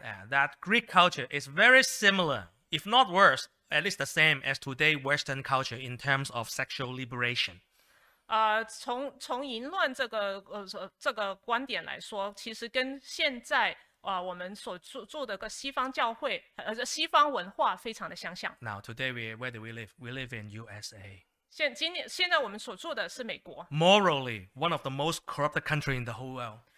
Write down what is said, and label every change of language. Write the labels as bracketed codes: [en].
[en] Yeah, that Greek culture is very similar, if not worse, at least the same as today Western culture in terms of sexual liberation. [zh] 从淫乱这个观点来说，其实跟现在我们所住的个西方教会西方文化非常的相像。 [en] Now today where do we live? We live in USA. [zh] 现在我们所住的是美国。 [en] Morally, one of the most corrupt countries in the whole world.